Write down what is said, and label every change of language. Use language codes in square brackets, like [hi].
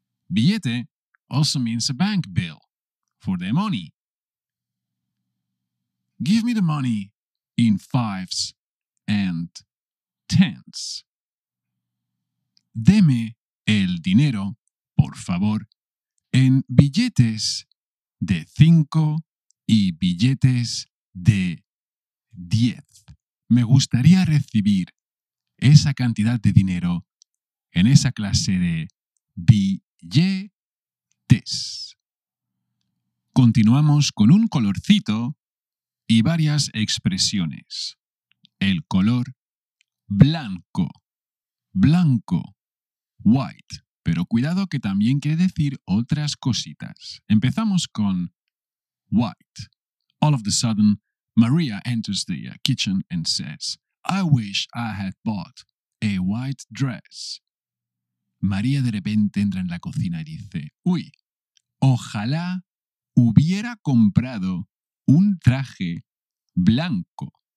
[en] Billete also means a bank bill for the money. Give me the money in fives and tens. [es] Deme el dinero, por favor, en billetes de 5 y billetes de 10. Me gustaría recibir esa cantidad de dinero en esa clase de billetes. Continuamos con un colorcito y varias expresiones. El color blanco. Blanco. White. Pero cuidado que también quiere decir otras cositas. Empezamos con white. [en] All of a sudden, Maria enters the kitchen and says, I wish I had bought a white dress. [es] María de repente entra en la cocina y dice, uy, ojalá hubiera comprado un traje blanco.